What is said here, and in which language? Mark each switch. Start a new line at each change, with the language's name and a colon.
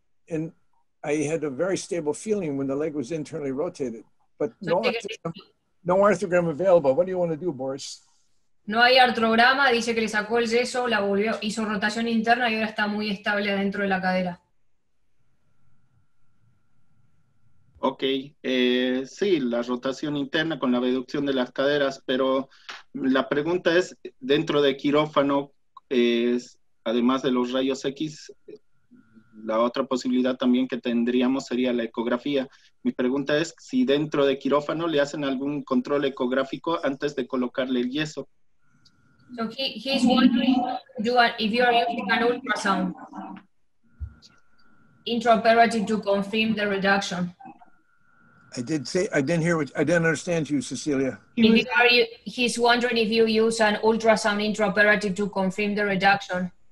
English: And I had a very stable feeling when the leg was internally rotated, but no arthrogram available. What do you want to do, Boris?
Spanish: No hay artrograma, dice que le sacó el yeso, la volvió, hizo rotación interna y ahora está muy estable dentro de la cadera. Ok, sí, la rotación interna con la abducción de las caderas, pero la pregunta es, dentro de quirófano, además de los rayos X, la otra posibilidad también que tendríamos sería la ecografía. Mi pregunta es si dentro de quirófano le hacen algún control ecográfico antes de colocarle el yeso.
English: So he's wondering if you are using an ultrasound intraoperative to confirm the reduction. I did say, I didn't understand you, Cecilia. He's wondering if you use an ultrasound intraoperative to confirm the reduction.